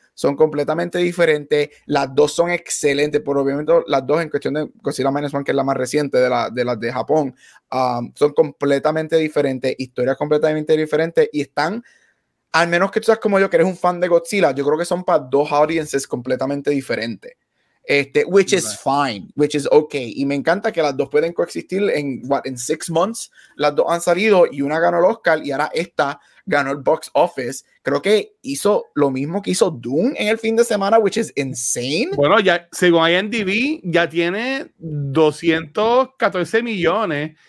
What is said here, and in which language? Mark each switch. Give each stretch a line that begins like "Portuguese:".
Spanish: Son completamente diferentes. Las dos son excelentes, pero obviamente las dos en cuestión de Godzilla Minus One, que es la más reciente de las de, la de Japón, son completamente diferentes, historias completamente diferentes y están... al menos que tú seas como yo, que eres un fan de Godzilla, yo creo que son para dos audiences completamente diferentes.
English: Which is fine, which is okay.
Spanish: Y me encanta que las dos pueden coexistir en, what, en 6 months. Las dos han salido y una ganó el Oscar y ahora esta ganó el box office. Creo que hizo lo mismo que hizo Doom en el fin de semana,
English: which is insane.
Spanish: Bueno, ya según IMDb, ya tiene 214 millones.